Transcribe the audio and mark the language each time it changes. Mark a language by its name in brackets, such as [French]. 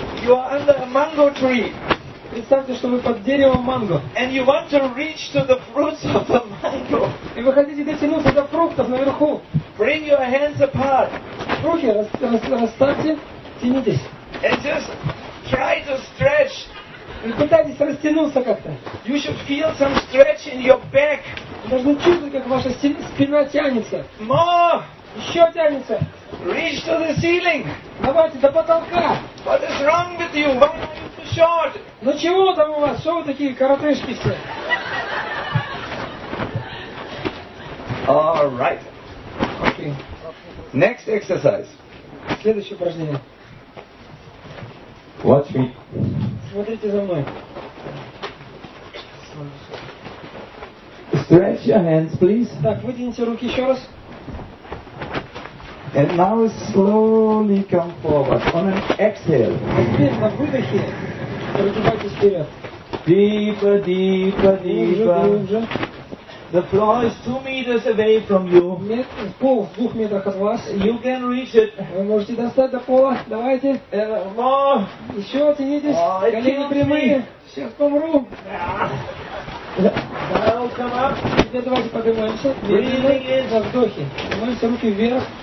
[English] You are under a mango tree. [Russian] Представьте, что вы под деревом манго. [English] And you want to reach to the fruits of the mango. [Russian] И вы хотите дотянуться до фруктов наверху. [English] Bring your hands apart. [Russian] Руки расставьте, тянитесь. [English] And just try to stretch. [Russian] Пытайтесь растянуться как-то. [English] You should feel some stretch in your back. [Russian] Вы должны чувствовать, как ваша спина тянется. [English] More. [Russian] Еще тянется. [English] Reach to the ceiling. [Russian] Давайте до потолка. [English] What is wrong with you? Why are you so short. [Russian] Ну чего там у вас, что вы такие коротышки все? [English] All right. Okay. Next exercise. [Russian] Следующее упражнение. [English] Watch me. [Russian] Смотрите за мной. [English] Stretch your hands, please. [Russian] Так, вытяните руки еще раз. [English] And now slowly come forward on an exhale. [Russian] Теперь на выдохе прогибайтесь вперед. [English] Deeper, deeper, deeper. The floor is 2 meters away from you. [Russian] Пол в 2 метрах от вас. [English] You can reach it. [Russian] Вы можете достать до пола. Давайте. [English] More. [Russian] Еще оттянитесь. Колени прямые. Сейчас помру. [English] I'll come up. [Russian] Теперь давайте поднимемся. [English] Breathing in. [Russian] На вдохе. Поднимемся руки вверх.